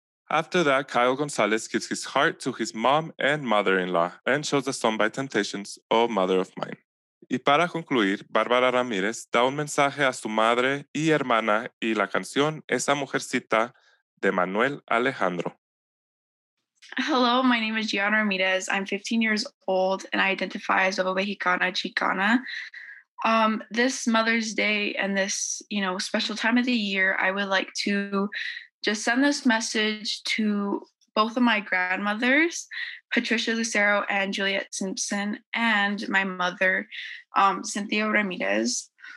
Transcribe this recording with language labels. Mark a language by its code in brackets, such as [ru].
[en] After that, Kyle Gonzalez gives his heart to his mom and mother-in-law and shows a song by Temptations, Oh Mother of Mine. [es] Y para concluir, Bárbara Ramírez da un mensaje a su madre y hermana y la canción Esa Mujercita de Manuel Alejandro. [en] Hello, my name is Gianna Ramírez. I'm 15 years old and I identify as Nueva Mexicana Chicana. This Mother's Day and this, you know, special time of the year, I would like to just send this message to both of my grandmothers, Patricia Lucero and Juliet Simpson, and my mother, Cynthia Ramirez.